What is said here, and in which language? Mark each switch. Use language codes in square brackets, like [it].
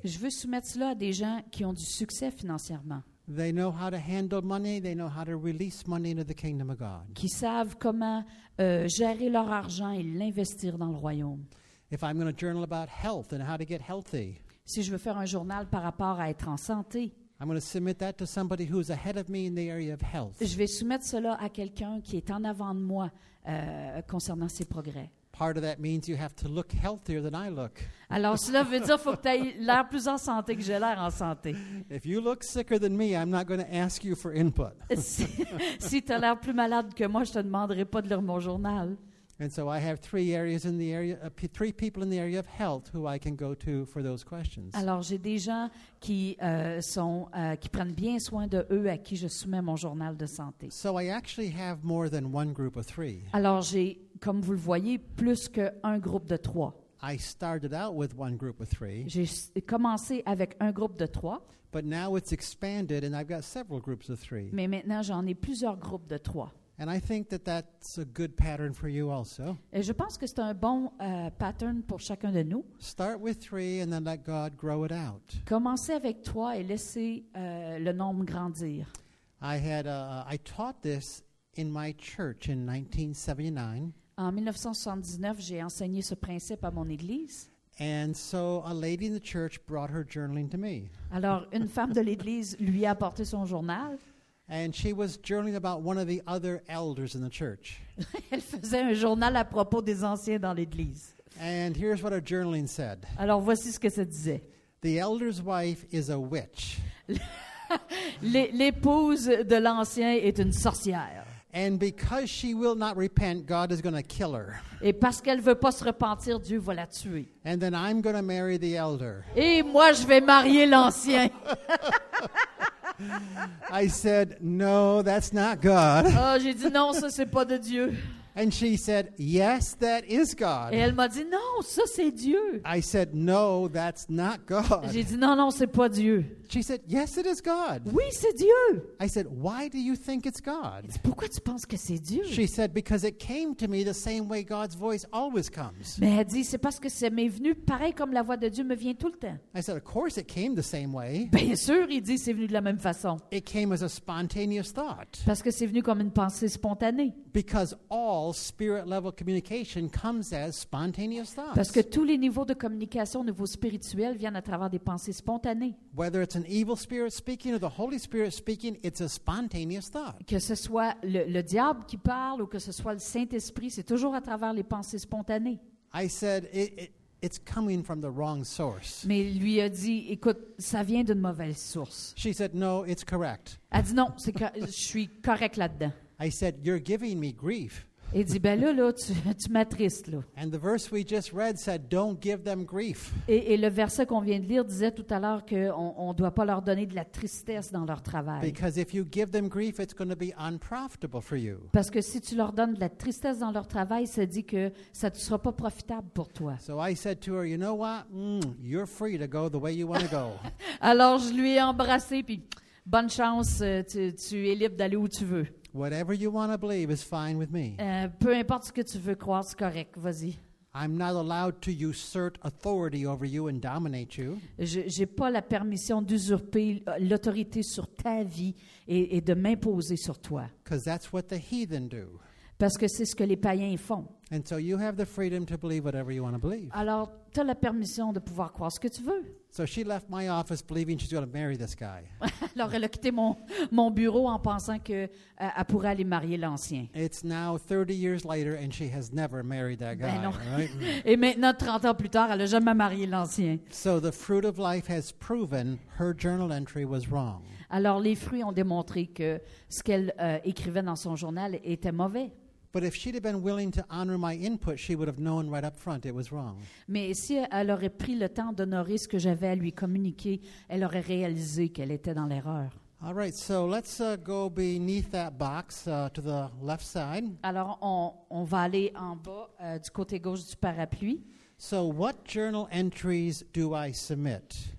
[fr] Je veux soumettre cela à des gens qui ont du succès financièrement. [en] They know how to handle money. They know how to release money into the kingdom of God. [fr] Qui savent comment gérer leur argent et l'investir dans le royaume. [en] If I'm going to journal about health and how to get healthy, [fr] si je veux faire un journal par rapport à être en santé, [en] I'm going to submit that to somebody who's ahead of me in the area of health. [fr] Je vais soumettre cela à quelqu'un qui est en avant de moi concernant ses progrès. [en] Part of that means you have to look healthier than I look. [fr] Alors cela veut dire faut que tu aies l'air plus en santé que j'ai l'air en santé. [en] If you look sicker than me, I'm not going to ask you for input. [fr] Si tu as l'air plus malade que moi, je te demanderai pas de lire mon journal. [en] And so I have three areas in the area, three people in the area of health who I can go to for those questions. [fr] Alors j'ai des gens qui sont qui prennent bien soin de eux à qui je soumets mon journal de santé. [en] So I actually have more than one group of three. [fr] Alors j'ai, comme vous le voyez, plus qu'un groupe de trois. [en] I started out with one group of three. [fr] J'ai commencé avec un groupe de trois. [en] But now it's expanded, and I've got several groups of three. [fr] Mais maintenant j'en ai plusieurs groupes de trois. [en] And I think that that's a good pattern for you also. [fr] Et je pense que c'est un bon pattern pour chacun de nous. [en] Start with three and then let God grow it out. [fr] Commencez avec trois et laissez le nombre grandir. [en] I taught this in my church in 1979. [fr] En 1979, j'ai enseigné ce principe à mon église. [en] And so a lady in the church brought her journaling to me. [fr] Alors une femme de l'église lui a apporté son journal. [en] And she was journaling about one of the other elders in the church. [fr] Elle faisait un journal à propos des anciens dans l'église. [en] And here's what her journaling said. [fr] Alors voici ce que ça disait. [en] The elder's wife is a witch. [fr] L'épouse de l'ancien est une sorcière. [en] And because she will not repent, God is going to kill her. [fr] Et parce qu'elle veut pas se repentir, Dieu va la tuer. [en] And then I'm going to marry the elder. [fr] Et moi je vais marier l'ancien. [en] I said, "No, that's not God." [fr] Oh, j'ai dit non, ça c'est pas de Dieu. [en] And she said, "Yes, that is God." [fr] Et elle m'a dit non, ça c'est Dieu. [en] I said, "No, that's not God." [fr] J'ai dit non, non, c'est pas Dieu. [en] She said, "Yes, it is God." [fr] Oui, c'est Dieu. [en] I said, "Why do you think it's God?" [fr] Et pourquoi tu penses que c'est Dieu? [en] She said, "Because it came to me the same way God's voice always comes." [fr] Mais elle dit c'est parce que ça m'est venu pareil comme la voix de Dieu me vient tout le temps. [en] I said, "Of course it came the same way." [fr] Bien sûr, il dit c'est venu de la même façon. [en] It came as a spontaneous thought. [fr] Parce que c'est venu comme une pensée spontanée. [en] Because all spirit level communication comes as spontaneous thoughts. [fr] Parce que tous les niveaux de communication au niveau spirituel viennent à travers des pensées spontanées. [en] Whether it's an evil spirit speaking or the Holy Spirit speaking, it's a spontaneous thought. [fr] Que ce soit le diable qui parle ou que ce soit le Saint-Esprit, c'est toujours à travers les pensées spontanées. [en] I said it's coming from the wrong source. [fr] Mais lui a dit écoute, ça vient d'une mauvaise source. [en] She said no, it's correct. [fr] Elle dit non, c'est que je suis correct là-dedans. [en] I said you're giving me grief. [fr] Il dit, ben là, tu m'attristes, là. [en] And the verse we just read said, don't give them grief. [fr] Et le verset qu'on vient de lire disait tout à l'heure qu'on ne doit pas leur donner de la tristesse dans leur travail. [en] Because if you give them grief, it's going to be unprofitable for you. [fr] Parce que si tu leur donnes de la tristesse dans leur travail, ça dit que ça ne sera pas profitable pour toi. [en] So I said to her, you know what? You're free to go the way you want to go. [fr] Alors je lui ai embrassé, puis bonne chance, tu es libre d'aller où tu veux. [en] Whatever you want to believe is fine with me. [fr] Peu importe ce que tu veux croire, c'est correct. Vas-y. [en] I'm not allowed to usurp authority over you and dominate you. [fr] J'ai pas la permission d'usurper l'autorité sur ta vie et de m'imposer sur toi. [en] Because that's what the heathen do. [fr] Parce que c'est ce que les païens font. [en] And so you have the freedom to believe whatever you want to believe. [fr] Alors, t'as la permission de pouvoir croire ce que tu veux. [en] So she left my office believing she's going to marry this guy. [fr] Alors, elle a quitté mon bureau en pensant qu'elle pourrait aller marier l'ancien. [en] It's now 30 years later and she has never married that guy. [fr] Ben non. [en] Right? [fr] Et maintenant, 30 ans plus tard, elle n'a jamais marié l'ancien. [en] So the fruit of life has proven her journal entry was wrong. [fr] Alors, les fruits ont démontré que ce qu'elle écrivait dans son journal était mauvais. [en] But if she'd have been willing to honor my input, she would have known right up front it was wrong. [fr] Mais si elle aurait pris le temps d'honorer ce que j'avais à lui communiquer, elle aurait réalisé qu'elle était dans l'erreur. [en] All right, so let's go beneath that box to the left side. [fr] Alors on va aller en bas du côté gauche du parapluie. [en] So what journal entries do I submit?